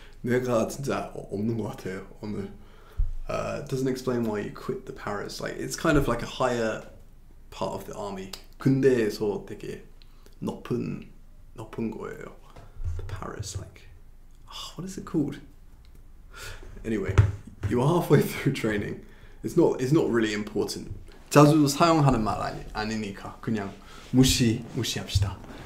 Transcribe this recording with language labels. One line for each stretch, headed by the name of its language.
Korean: 내가 진짜 없는 것 같아요 오늘.
English: Doesn't explain why you quit the Paris. Like it's kind of like a higher part of the army.
Korean: 군대에서 되게 높은 거예요.
English: The Paris, like, what is it called? Anyway, you are halfway through training. It's not really important.
Korean: 자주 사용하는 말 아니니까 그냥 무시합시다.